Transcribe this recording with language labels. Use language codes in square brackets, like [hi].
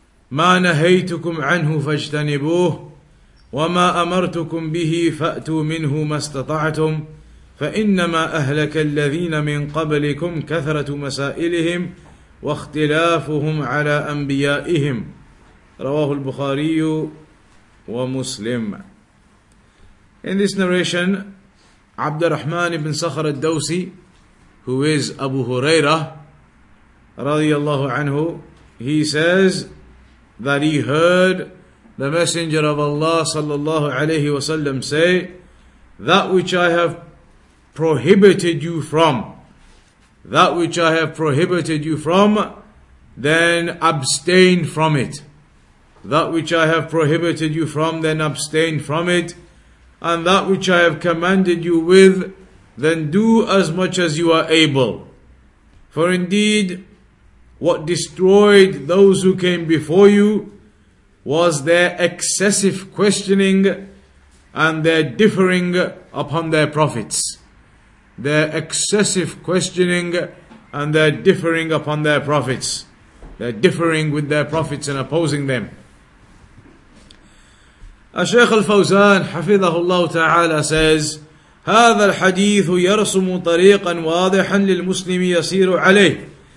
[ar] ما نهيتكم عنه فاجتنبوه وما أمرتكم به فأتوا منه ما استطعتم فإنما أهلك الذين من قبلكم كثرة مسائلهم واختلافهم على أنبيائهم رواه البخاري ومسلم. [en] In this narration, عبد الرحمن بن صخر الدوسي, who is Abu Huraira radiyallahu anhu, he says that he heard the Messenger of Allah sallallahu alayhi wa sallam say, that which I have prohibited you from, that which I have prohibited you from, then abstain from it. That which I have prohibited you from, then abstain from it. And that which I have commanded you with, then do as much as you are able. For indeed, what destroyed those who came before you was their excessive questioning and their differing upon their prophets. Their excessive questioning and their differing upon their prophets. Their differing with their prophets and opposing them. [ar] الشيخ الفوزان حفظه الله تعالى [en] says, [ar] هذا الحديث يرسم طريقا واضحا للمسلم يسير عليه.